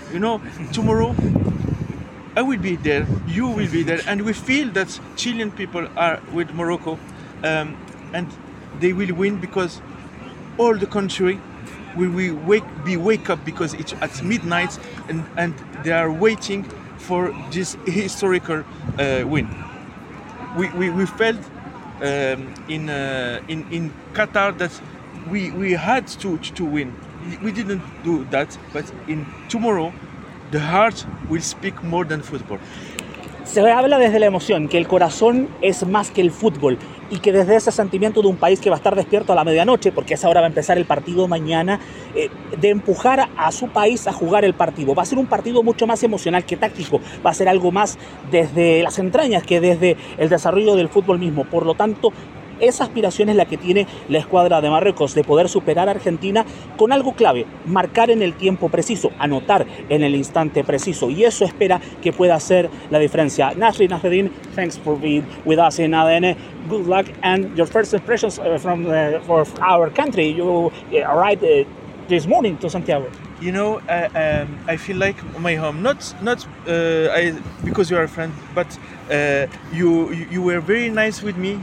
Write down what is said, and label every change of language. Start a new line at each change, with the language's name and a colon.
English: You know, tomorrow I will be there, you will be there, and we feel that Chilean people are with Morocco, and they will win because all the country will wake up because it's at midnight and they are waiting for this historical win. We felt in Qatar that we had to win. We didn't do that, but in tomorrow the heart will speak more than football.
Spanish: Se habla desde la emoción, que el corazón es más que el fútbol y que desde ese sentimiento de un país que va a estar despierto a la medianoche, porque a esa hora va a empezar el partido mañana, de empujar a su país a jugar el partido. Va a ser un partido mucho más emocional que táctico, va a ser algo más desde las entrañas que desde el desarrollo del fútbol mismo. Por lo tanto, esa aspiración es la que tiene la escuadra de Marruecos, de poder superar a Argentina con algo clave, marcar en el tiempo preciso, anotar en el instante preciso. Y eso espera que pueda hacer la diferencia.
English: Nasri Nasreddin, thanks for being with us in ADN. Good luck and your first impressions for our country. You arrived this morning to Santiago. You know, I feel like my home. Not because you are a friend, but you were very nice with me.